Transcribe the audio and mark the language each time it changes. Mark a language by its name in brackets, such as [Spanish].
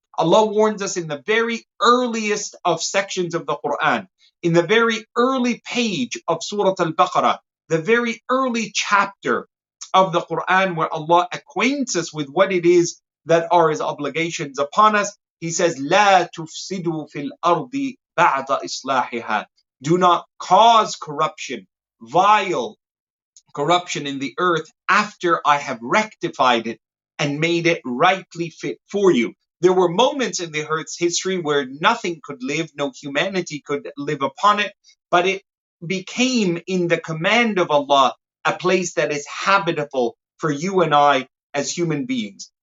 [English] Allah warns us in the very earliest of sections of the Quran, in the very early page of Surah Al-Baqarah, the very early chapter of the Quran where Allah acquaints us with what it is that are His obligations upon us. He says, [Arabic] لا تفسدوا في الأرض بعد إصلاحها. [English] Do not cause corruption, vile corruption in the earth after I have rectified it and made it rightly fit for you. There were moments in the earth's history where nothing could live, no humanity could live upon it, but it became, in the command of Allah, a place that is habitable for you and I as human beings.